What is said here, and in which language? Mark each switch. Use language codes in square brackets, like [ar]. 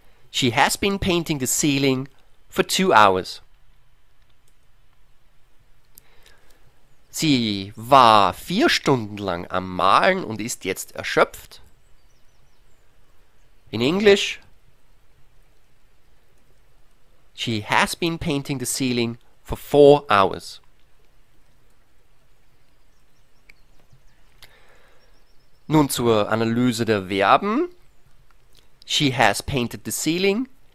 [en] She has been painting the ceiling for 2 hours. [de] Sie war 4 Stunden lang am Malen und ist jetzt erschöpft. In Englisch: [en] She has been painting the ceiling for 4 hours. [de] Nun zur Analyse der Verben. [en] She has painted the ceiling.